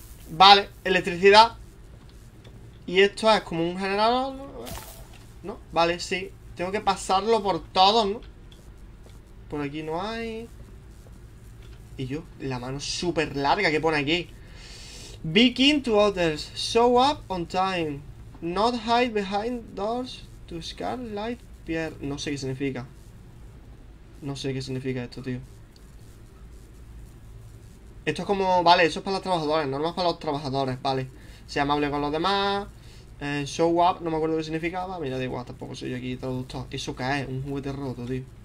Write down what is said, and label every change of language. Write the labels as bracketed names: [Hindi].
[Spanish] Vale, electricidad. Y esto es como un generador, ¿no? Vale, sí. Tengo que pasarlo por todo, ¿no? Por aquí no hay. Y yo, la mano súper larga que pone aquí. [English] Be kind to others. Show up on time. Not hide behind doors to scare light fear. [Spanish] No sé qué significa. No sé qué significa esto, tío. Esto es como. Vale, eso es para los trabajadores. Normas para los trabajadores, vale. Sea amable con los demás. [English] Show up, [Spanish] no me acuerdo qué significaba. Mira, da igual, tampoco soy yo aquí traductor. ¿Eso qué es? Un juguete roto, tío.